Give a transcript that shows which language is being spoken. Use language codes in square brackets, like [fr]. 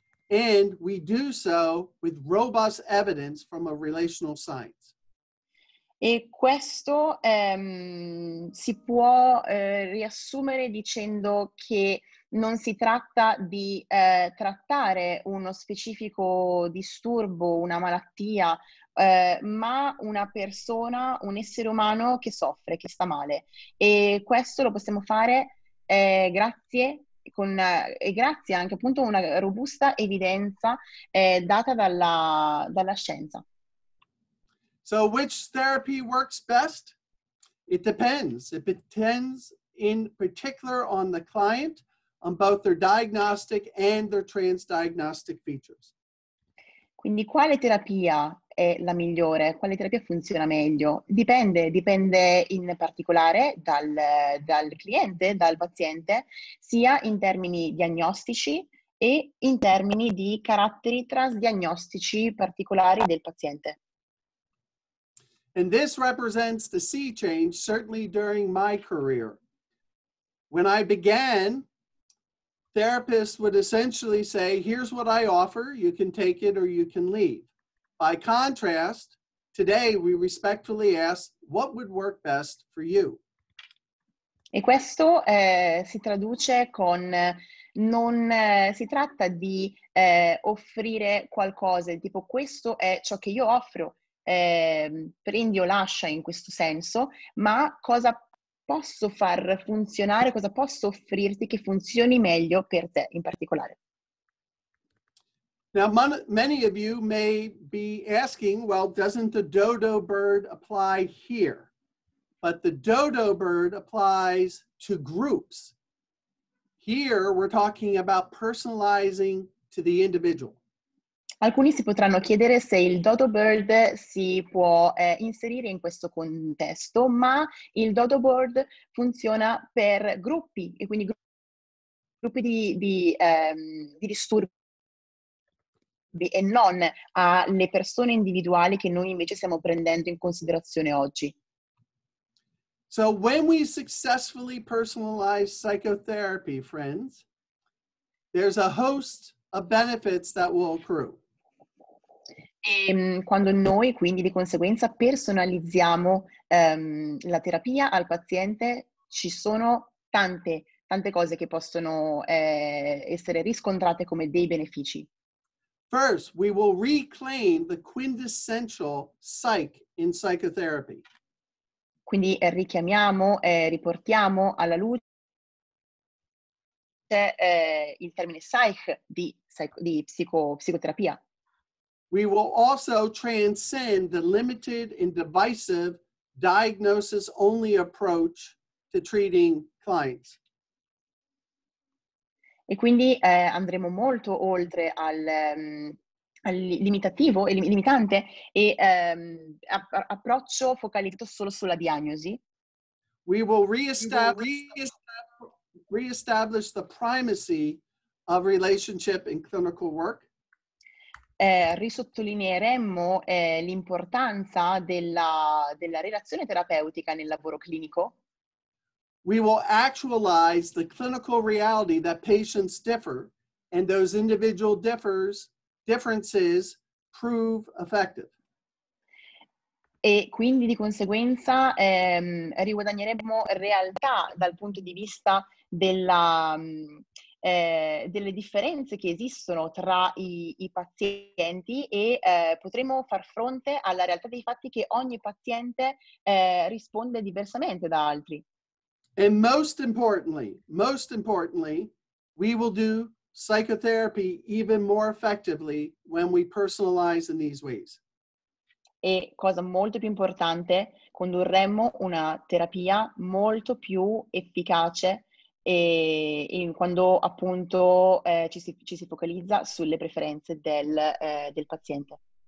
[en] And we do so with robust evidence from a relational science. [it] E questo si può riassumere dicendo che non si tratta di trattare uno specifico disturbo, una malattia, ma una persona, un essere umano che soffre, che sta male. E questo lo possiamo fare grazie anche appunto una robusta evidenza data dalla scienza. [en] So which therapy works best? It depends. It depends in particular on the client, on both their diagnostic and their transdiagnostic features. [it] Quindi quale terapia è la migliore? Quale terapia funziona meglio? Dipende in particolare dal cliente, dal paziente, sia in termini diagnostici e in termini di caratteri transdiagnostici particolari del paziente. [en] And this represents the sea change, certainly during my career. When I began, therapists would essentially say, here's what I offer, you can take it or you can leave. By contrast, today we respectfully ask, what would work best for you? [it] E questo si traduce con, non si tratta di offrire qualcosa, tipo questo è ciò che io offro. Prendi o lascia in questo senso, ma cosa posso far funzionare, cosa posso offrirti che funzioni meglio per te in particolare. [en] Now many of you may be asking, well, doesn't the dodo bird apply here? But the dodo bird applies to groups. Here we're talking about personalizing to the individual. [it] Alcuni si potranno chiedere se il dodo bird si può inserire in questo contesto, ma il dodo bird funziona per gruppi, e quindi gruppi di disturbi, e non alle persone individuali che noi invece stiamo prendendo in considerazione oggi. [en] So when we successfully personalize psychotherapy, friends, there's a host of benefits that will accrue. [it] E quando noi quindi di conseguenza personalizziamo la terapia al paziente, ci sono tante cose che possono essere riscontrate come dei benefici. [en] First, we will reclaim the quintessential psych in psychotherapy. [it] Quindi richiamiamo, riportiamo alla luce il termine psych di psicoterapia. [en] We will also transcend the limited and divisive diagnosis-only approach to treating clients. [it] E quindi andremo molto oltre al limitativo e limitante e approccio focalizzato solo sulla diagnosi. [en] We will reestablish the primacy of relationship in clinical work. [it] Risottolineeremmo l'importanza della relazione terapeutica nel lavoro clinico. [en] We will actualize the clinical reality that patients differ and those individual differences prove effective. [it] E quindi di conseguenza riguadagneremmo realtà dal punto di vista delle differenze che esistono tra i pazienti e potremo far fronte alla realtà dei fatti che ogni paziente risponde diversamente da altri. [en] And most importantly, we will do psychotherapy even more effectively when we personalize in these ways. [it] E cosa molto più importante, condurremo una terapia molto più efficace e quando appunto ci si focalizza sulle preferenze del paziente.